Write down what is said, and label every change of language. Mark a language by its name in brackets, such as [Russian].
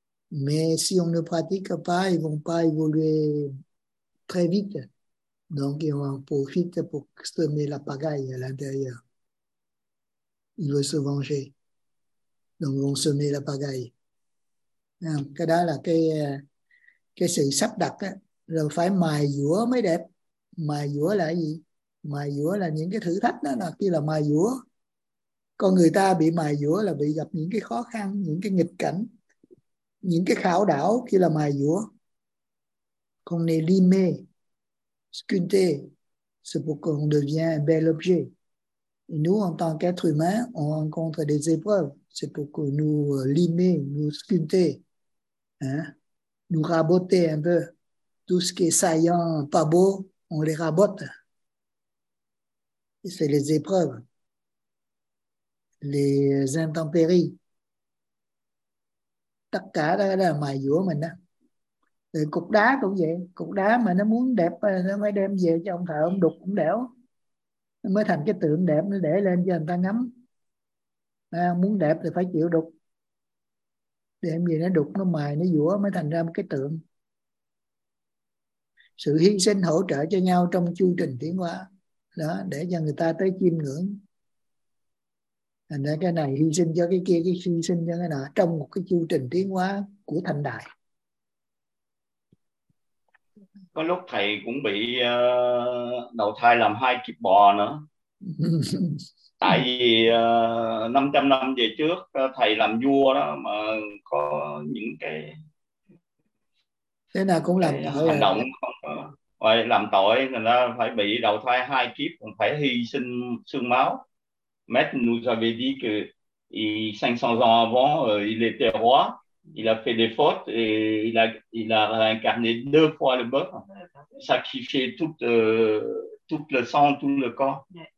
[French] Mais si on ne pratique pas, ils ne vont pas évoluer très vite. Donc, ils en profitent pour semer la pagaille à l'intérieur. Ils veulent se venger. Donc, ils vont semer la pagaille. [Vietnamese] Cái đó là cái sự sắp đặt á, là phải mài dũa mới đẹp. Mài dũa là gì? Mài dũa là những cái thử thách đó, là kia là mài dũa. Con người ta bị mài dũa là bị gặp những cái khó khăn, những cái nghịch cảnh, những cái khảo đảo, kia là mài dũa. [French] Con est limé, sculpté, c'est pour qu'on devient un bel objet. Et nous, en tant qu'être humain, on rencontre des épreuves. C'est pour que nous limer, nous sculpter, hein? Nous raboter un peu. Tout ce qui est saillant, pas beau, on les rabote. Et c'est les épreuves. les intempéries. [Vietnamese] Tất cả đó là mài dũa mình đó. Thì cục đá cũng vậy, cục đá mà nó muốn đẹp nó mới đem về cho ông thợ, ông đục cũng đẽo mới thành cái tượng đẹp, nó để lên cho người ta ngắm. À, muốn đẹp thì phải chịu đục, đem gì nó đục, nó mài, nó dũa mới thành ra một cái tượng. Sự hy sinh hỗ trợ cho nhau trong chu trình tiến hóa đó, để cho người ta tới chiêm ngưỡng. Thành ra cái này hy sinh cho cái kia, cái hy sinh cho cái nọ, trong một cái chu trình tiến hóa của thành đại. Có lúc thầy cũng bị đầu thai làm hai kiếp bò nữa. Tại vì 500 năm về trước thầy làm vua đó, mà có những cái thế nào cũng làm hành rồi. Động không, làm tội thì nó phải bị đầu thai hai kiếp, phải hy sinh xương máu. [French] Mais nous avait dit que il 500 ans avant il était roi, il a fait des fautes et il a réincarné deux fois le bœuf, sacrifié tout le sang, tout le corps.